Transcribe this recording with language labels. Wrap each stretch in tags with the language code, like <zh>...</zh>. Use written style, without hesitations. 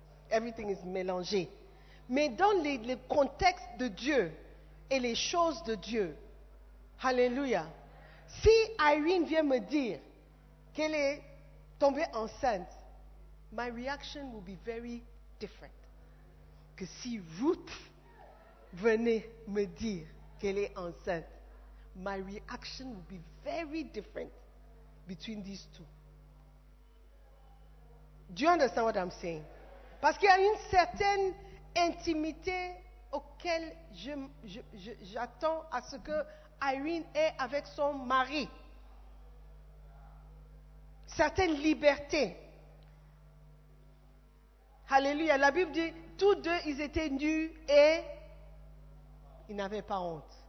<en>Everything is</en> <fr>mélangé. Mais dans le contexte de Dieu et les choses de Dieu, hallelujah, si Irene vient me dire qu'elle est tombée enceinte,</fr> <en>my reaction will be very different</en> <fr>que si Ruth venait me dire qu'elle est enceinte.</fr> <en>My reaction will be very different between these two. Do you understand what I'm saying?</en> <fr>Parce qu'il y a une certaine intimité auquel j'attends à ce que Irene est avec son mari. Certaines libertés. Alléluia. La Bible dit, tous deux, ils étaient nus et ils n'avaient pas honte.</fr>